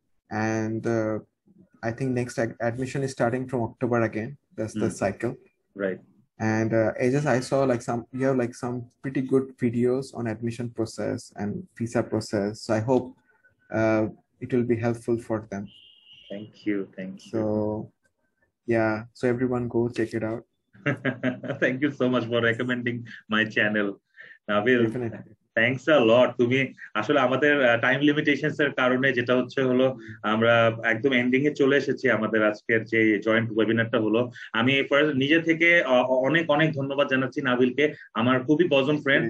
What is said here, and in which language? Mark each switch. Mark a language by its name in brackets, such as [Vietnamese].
[English] And I think next admission is starting from October again, that's the cycle. Right, and as as I saw like some you have like some pretty good videos on admission process and visa process, so I hope it will be helpful for them, thank you, thank you, so Yeah, so everyone go check it out. Thank you so much for recommending my channel Nabil, Definitely. Thanks a lot. [Bangla] তুমি আসলে আমাদের time limitations এর কারণে, যেটা হচ্ছে হলো আমরা একদম এন্ডিং এ চলে এসেছি আমাদের আজকের যে জয়েন্ট ওয়েবিনারটা হলো, আমি নিজে থেকে অনেক অনেক ধন্যবাদ জানাচ্ছি নাবিলকে, আমার খুবই বজন ফ্রেন্ড,